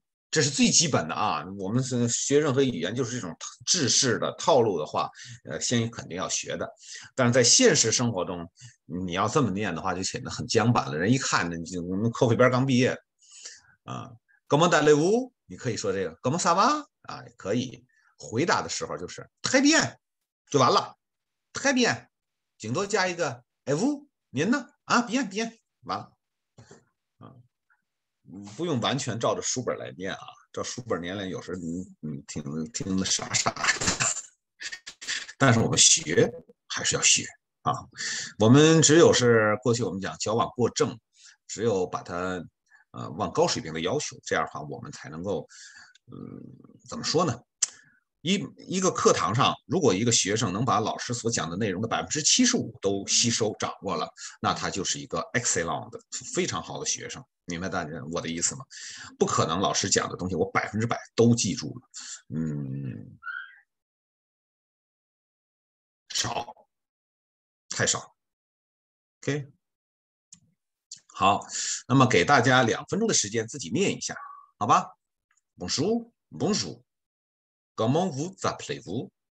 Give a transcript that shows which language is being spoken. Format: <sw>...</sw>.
<zh>这是最基本的啊，我们是学任何语言就是这种制式的套路的话，先肯定要学的。但是在现实生活中你要这么念的话就显得很僵板了，人一看你就我们科会班刚毕业。</zh> <fr>Comment allez-vous?</fr> <zh>你可以说这个</zh> <fr>Comment ça va?</fr> <zh>啊，可以回答的时候就是</zh> <fr>Très bien,</fr> <zh>就完了。</zh> <fr>Très bien,</fr> <zh>顶多加一个</zh> <fr>Et vous?</fr> <zh>您呢啊 ,bien, bien, 完了。不用完全照着书本来念啊，照书本念来有时候你听得傻傻的，但是我们学还是要学啊，我们只有是过去我们讲矫枉过正，只有把它往高水平的要求，这样的话我们才能够怎么说呢，一个课堂上如果一个学生能把老师所讲的内容的 75% 都吸收掌握了，那他就是一个 excellent 非常好的学生，明白大家我的意思吗？不可能老师讲的东西我100%都记住了，少，太少。 OK， 好，那么给大家2分钟的时间自己念一下好吧。</zh> <fr>Bonjour Bonjour Comment vous appelez-vous?</fr>